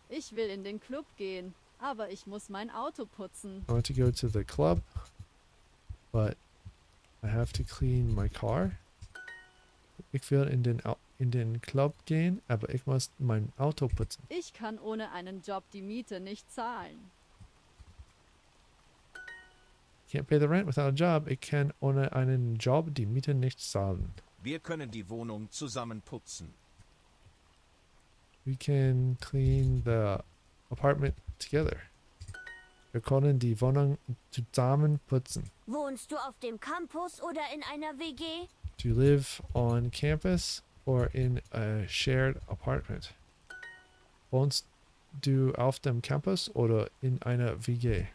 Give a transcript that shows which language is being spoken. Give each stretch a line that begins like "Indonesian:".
German: Ich will in den Club gehen, aber ich muss mein Auto putzen.
English: I want to go to the club, but I have to clean my car.
German: Ich will in den Club gehen, aber ich muss mein Auto putzen. Ich kann ohne einen Job die Miete nicht zahlen.
English: Can't pay the rent without a job.
German: Ich kann ohne einen Job die Miete nicht zahlen. Wir können die Wohnung zusammen putzen.
English: We can clean the apartment together.
German: Wir können die Wohnung zusammen putzen. Wohnst du auf dem Campus oder in einer WG?
English: Do you live on campus or in a shared apartment?
German: Wohnst du auf dem Campus oder in einer WG?